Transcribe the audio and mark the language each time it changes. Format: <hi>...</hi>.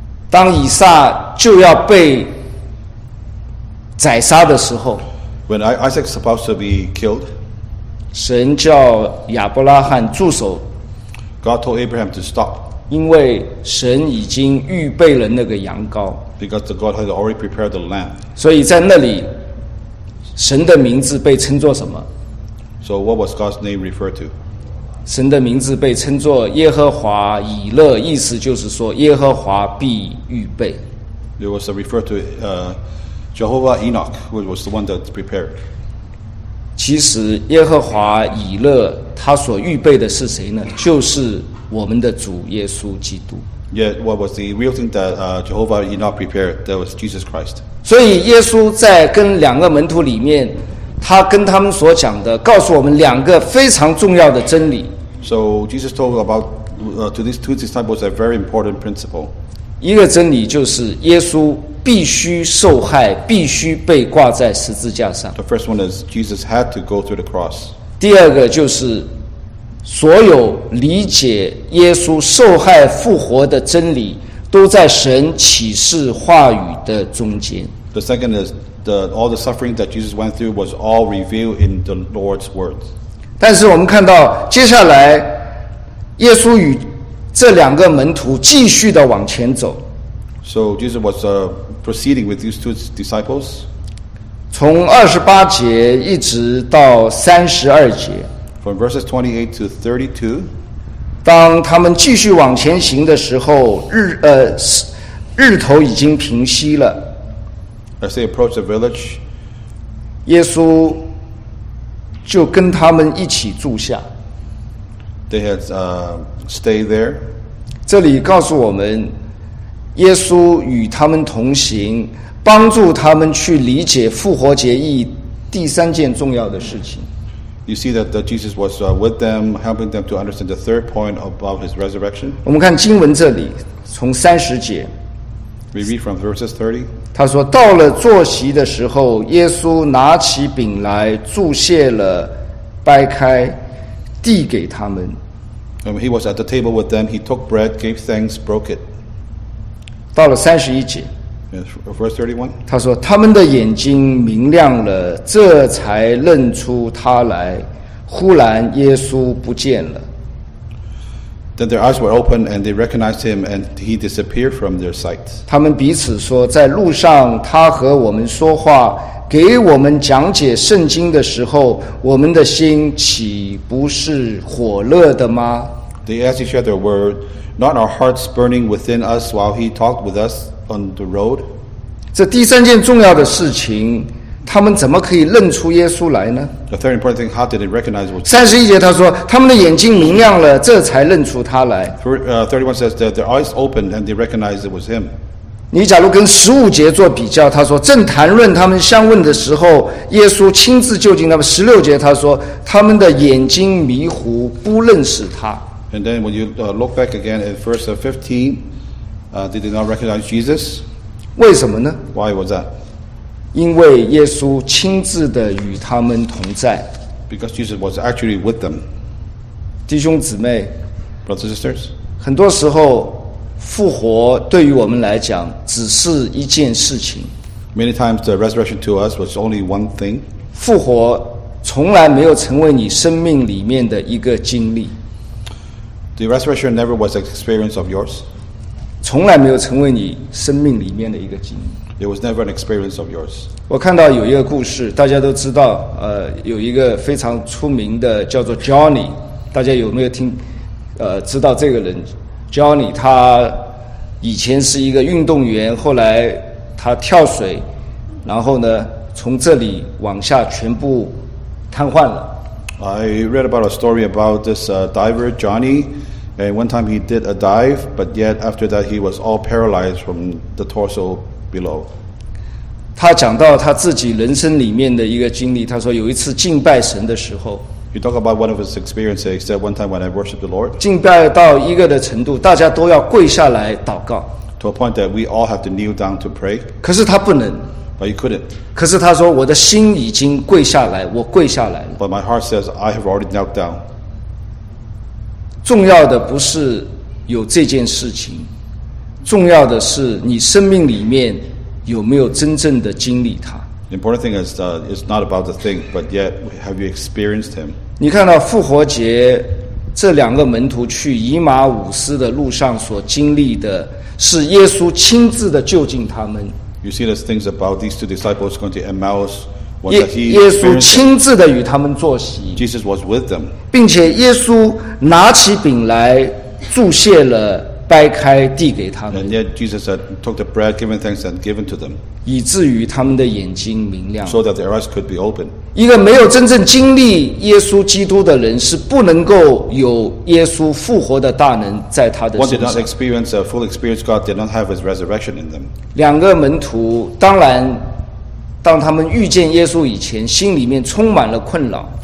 <zh>当以撒就要被宰杀的时候</zh> <en>，When Isaac is supposed to be killed，</en> <zh>神叫亚伯拉罕住手。</zh> <en>God told Abraham to stop，</en> <zh>因为神已经预备了那个羊羔。</zh> <en>Because God had already prepared the lamb，</en> <zh>所以在那里，神的名字被称作什么</zh> <en>？So what was God's name referred to？</en> <zh>神的名字被称作耶和华以勒，意思就是说耶和华必预备。</zh> <en>It was referred to Jehovah Enoch, who was the one that prepared.</en> <zh>其实耶和华以勒他所预备的是谁呢？就是我们的主耶稣基督。</zh> <en>Yet, what was the real thing that Jehovah did not prepare? That was Jesus Christ.</en> <zh>所以耶稣在跟两个门徒里面，他跟他们所讲的，告诉我们两个非常重要的真理。</zh> <en>So Jesus told about to these two disciples a very important principle.</en> <zh>一个真理就是耶稣必须受害，必须被挂在十字架上。</zh> <en>The first one is Jesus had to go through the cross.</en> <zh>第二个就是所有理解耶稣受害复活的真理都在神启示话语的中间。</zh> <en>The second is all the suffering that Jesus went through was all revealed in the Lord's words.</en> <zh>但是我们看到接下来耶稣与这两个门徒继续的往前走。</zh> <en>So Jesus was proceeding with these two disciples.</en> <zh>从28节一直到32节。</zh> <en>From verses 28 to 32,</en> <zh>当他们继续往前行的时候，日头已经平息了。</zh> <en>As they approach the village,</en> <zh>耶稣就跟他们一起住下。</zh> <en>They had stay there.</en> <zh>这里告诉我们，耶稣与他们同行，帮助他们去理解复活节义第三件重要的事情。</zh> <en>You see that Jesus was with them, helping them to understand the third point about his resurrection.</en> <zh>我们看经文这里，从三十节。</zh> <en>We read from verses 30.</en> <zh>他说，到了坐席的时候，耶稣拿起饼来，祝谢了，掰开，递给他们。</zh> <en>And he was at the table with them. He took bread, gave thanks, broke it.</en> <zh>到了三十一节。</zh> <en>Verse 31.</en> <zh>他说他们的眼睛明亮了，这才认出他来，忽然耶稣不见了。</zh> <en>Then their eyes were open and they recognized him and he disappeared from their sight.</en> <zh>他们彼此说，在路上他和我们说话，给我们讲解圣经的时候，我们的心岂不是火热的吗？</zh> <en>They asked each other, were not our hearts burning within us while he talked with us on the road?</en> <zh>这第三件重要的事情，他们怎么可以认出耶稣来呢？</zh> <en>The third important thing, how did they recognize him?</en> <zh>31节他说，他们的眼睛明亮了，这才认出他来。</zh> <en>31 says that their eyes opened and they recognized it was him.</en> <zh>你假如跟15节做比较，他说，正谈论他们相问的时候，耶稣亲自就近他们。 16节他说，他们的眼睛迷糊，不认识他。</zh> <en>And then when you look back again at verse 15,they did not recognize Jesus.</en> <zh>为什么呢？</zh> <en>Why was that?</en> <zh>因为耶稣亲自的与他们同在。</zh> <en>Because Jesus was actually with them.</en> <zh>弟兄姊妹，</zh> <en>Brothers and sisters,</en> <zh>很多时候复活对于我们来讲只是一件事情。</zh> <en>Many times the resurrection to us was only one thing.</en> <zh>复活从来没有成为你生命里面的一个经历。</zh> <en>The resurrection never was an experience of yours.</en> <zh>从来没有成为你生命里面的一个经历。</zh> <en>It was never an experience of yours.</en> <zh>我看到有一个故事，大家都知道，有一个非常出名的叫做 Johnny， 大家有没有听？知道这个人 ，Johnny， 他以前是一个运动员，后来他跳水，然后呢，从这里往下全部瘫痪了。</zh> <en>I read about a story about this diver Johnny. And one time he did a dive, but yet after that he was all paralyzed from the torso below.</en> <zh>他讲到他自己人生里面的一个经历，他说有一次敬拜神的时候。</zh> <en>You talk about one of his experiences. That one time when I worshipped the Lord.</en> <zh>敬拜到一个的程度，大家都要跪下来祷告。</zh> <en>To a point that we all have to kneel down to pray.</en> <zh>可是他不能。</zh> <en>But he couldn't.</en> <zh>可是他说我的心已经跪下来，我跪下来了。</zh> <en>But my heart says I have already knelt down.</en> <zh>重要的不是有这件事情，重要的是你生命里面有没有真正的经历它。</zh> <en>The important thing is it's not about the thing, but yet have you experienced him?</en> <zh>你看到复活节这两个门徒去以马忤斯的路上所经历的，是耶稣亲自的就近他们。</zh> <en>You see those things about these two disciples going to Emmaus.</en> <zh>耶稣亲自的与他们坐席，</zh> <en>Jesus was with them.</en> <zh>并且耶稣拿起饼来祝谢了，掰开递给他们。</zh> <en>And yet Jesus had took the bread, given thanks, and given to them.</en> <zh>以至于他们的眼睛明亮。</zh> <en>So that their eyes could be open.</en> <zh>一个没有真正经历耶稣基督的人是不能够有耶稣复活的大能在他的身上。</zh> <en>One did not experience a full experience. God did not have his resurrection in them.</en> <zh>两个门徒当然当他们遇见耶稣以前心里面充满了困扰。</zh>